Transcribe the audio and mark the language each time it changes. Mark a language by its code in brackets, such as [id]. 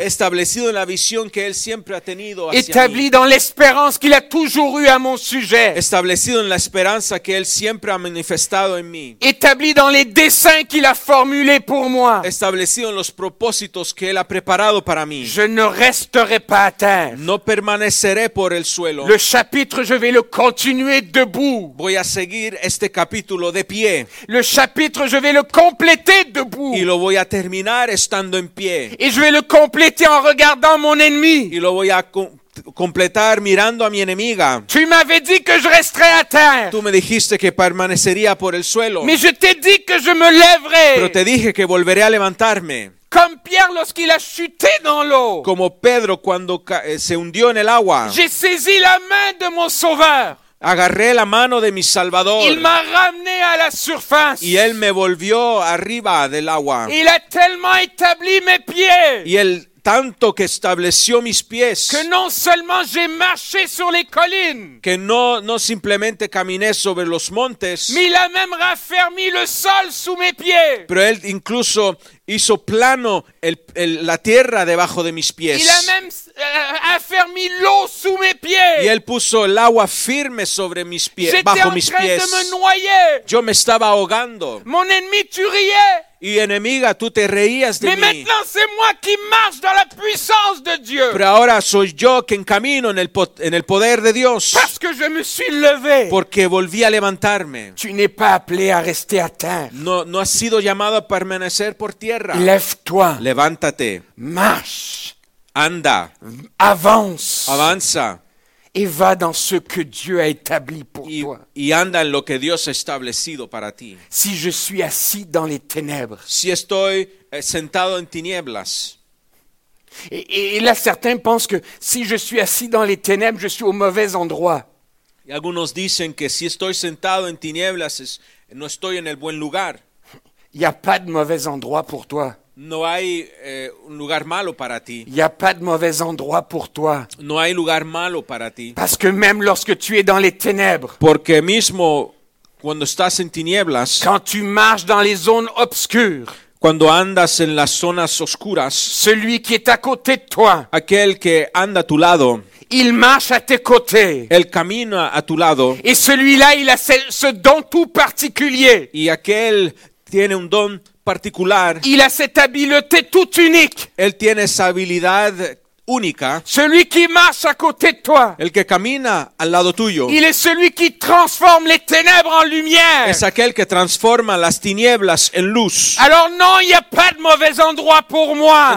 [es] Establecido en la visión que él siempre ha tenido hacia [fr] établi [es] mí. [fr] Dans l'espérance qu'il a toujours eu à mon sujet. [es] Establecido en la esperanza que él siempre ha manifestado en mí. [fr] Établi dans les desseins qu'il a formulés pour moi. [es] Establecido en los propósitos que él ha preparado para mí. [fr] Je ne resterai pas à terre. [es] No permaneceré por el suelo. [fr] Le chapitre, je vais le continuer debout. [es] Voy a seguir este capítulo de pie. [fr] Le chapitre, je vais le compléter debout. [es] Y lo voy a terminar estando en pie. [fr] Et je vais le compléter en regardant mon ennemi. [es] Y lo voy a completar mirando a mi enemiga. [fr] Tu m'avais dit que je resterais à terre. [es] Tú me dijiste que permanecería por el suelo. [fr] Mais je t'ai dit que je me lèverai. [es] Pero te dije que volveré a levantarme. [fr] Comme Pierre lorsqu'il a chuté dans l'eau. [es] Como Pedro cuando se hundió en el agua. [fr] J'ai saisi la main de mon sauveur. [es] Agarré la mano de mi Salvador. [fr] Il m'a ramené à la surface. [es] Y él me volvió arriba del agua. [fr] Il a tellement établi mes pieds. [es] Y él tanto que estableció mis pies. [fr] Que non seulement j'ai marché sur les collines. [es] Que no simplemente caminé sobre los montes. [fr] Mais il a même raffermi le sol sous mes pieds. [es] Pero él incluso hizo plano la tierra debajo de mis pies. [fr] Il a même affermi l'eau sous mes pieds. [es] Y él puso el agua firme sobre mis pies. [fr] J'étais [es] bajo mis pies. [fr] De me noyer. [es] Yo me estaba ahogando. [fr] Mon ennemi, tu riais. [es] y enemiga, tú te reías de [fr] mí. Mais maintenant c'est moi qui marche dans la puissance de Dieu. [es] Pero ahora soy yo quien camino en el poder de Dios. [fr] Parce que je me suis levé. [es] Porque volví a levantarme. [fr] Tu n'es pas appelé à rester à terre. [es] No has sido llamado a permanecer por tierra. [fr] Lève-toi. [es] Levántate. [fr] Marche. [es] Anda. [fr] Avance. [es] Avanza. [fr] Et va dans ce que Dieu a établi pour toi. [es] Y anda en lo que Dios ha establecido para ti. [fr] Si je suis assis dans les ténèbres. [es] Si estoy sentado en tinieblas. [fr] Et là, certains pensent que si je suis assis dans les ténèbres, je suis au mauvais endroit. [es] Y algunos dicen que si estoy sentado en tinieblas, no estoy en el buen lugar. [fr] Il y a pas de mauvais endroit pour toi. [es] No hay un lugar malo para ti. [fr] Il y a pas de mauvais endroit pour toi. [es] No hay lugar malo para ti. [fr] Parce que même lorsque tu es dans les ténèbres. [es] Porque mismo cuando estás en tinieblas. [fr] Quand tu marches dans les zones obscures. [es] Cuando andas en las zonas oscuras. [fr] Celui qui est à côté de toi. [es] Aquel que anda a tu lado. [fr] Il marche à tes côtés. [es] Él camina a tu lado. [fr] Et celui-là, il a ce don tout particulier. [es] Y aquel tiene un don particular. [fr] Il a cette habileté toute unique. [es] Él tiene esa habilidad única. [fr] Celui qui marche à côté de toi. [es] El que camina al lado tuyo. [fr] Il est celui qui transforme les ténèbres en lumière. [es] Es aquel que transforma las tinieblas en luz. [fr] Alors non, il y a pas de mauvais endroit pour moi.